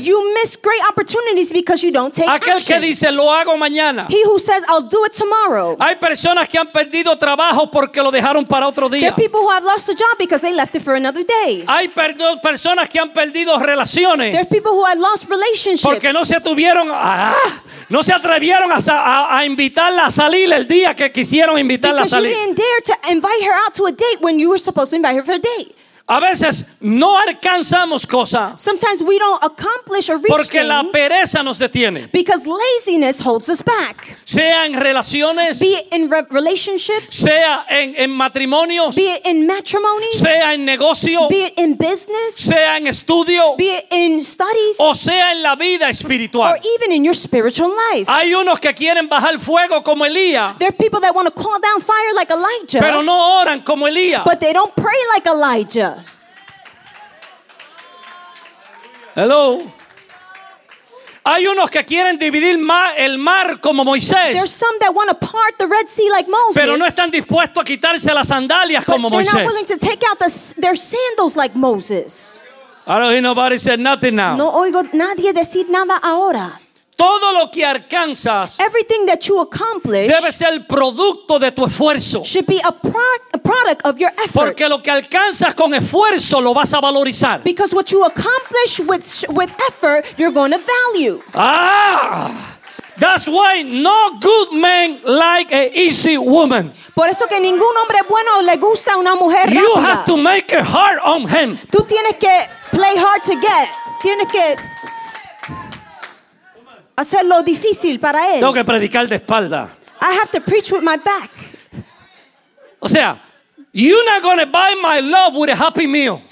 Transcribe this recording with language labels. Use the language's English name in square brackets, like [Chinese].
[English] You miss great opportunities because you don't take action. [Spanish] Aquel que dice, lo hago mañana. [English] He who says, I'll do it tomorrow. [Spanish] Hay personas que han perdido trabajo porque lo dejaron para otro día. [English] There are people who have lost a job because they left it for another day. [Spanish] Hay personas que han perdido relaciones. [English] There are people who have lost relationships. [Spanish] Porque no se tuvieron, no se atrevieron a invitarla a salir el día que quisieron invitarla a salir. [English] Because you didn't dare to invite her out to a date when you were supposed to invite her for a date. [Spanish] A veces no alcanzamos cosas. [English] Sometimes we don't accomplish or reach [Spanish] porque la pereza nos detiene. [English] Because laziness holds us back. [Spanish] Sea en relaciones. [English] Be it in relationships. [Spanish] Sea en matrimonios. [English] Be it in matrimony. [Spanish] Sea en negocio. [English] Be it in business. [Spanish] Sea en estudio. [English] Be it in studies. [Spanish] O sea en la vida espiritual. [English] Or even in your spiritual life. [Spanish] Hay unos que quieren bajar fuego como Elías. [English] There are people that want to call down fire like Elijah. [Spanish] Pero no oran como Elías. [English] But they don't pray like Elijah. Hello. [Spanish] Hay unos que quieren dividir el mar como Moisés. [English] There's some that want to part the Red Sea like Moses. [Spanish] Pero no están dispuestos a quitarse las sandalias como Moisés. [English] But they're not willing to take out their sandals like Moses. I don't hear nobody say nothing now. [Spanish] No oigo nadie decir nada ahora. Todo lo que alcanzas, [English] everything that you accomplish, [Spanish] debe ser producto de tu esfuerzo. [English] Should be a product of your effort. [Spanish] Porque lo que alcanzas con esfuerzo lo vas a valorizar. [English] Because what you accomplish with effort, you're going to value. Ah, that's why no good man like an easy woman. [Spanish] Por eso que ningún hombre bueno le gusta una mujer rápida. [English] You have to make it hard on him. [Spanish] Tú tienes que [English] play hard to get. [Spanish] Tienes que hacerlo difícil para él. Tengo que predicar de espalda. [English] I have to preach with my back. [Spanish] O sea, [English] you're not gonna buy my love with a happy meal.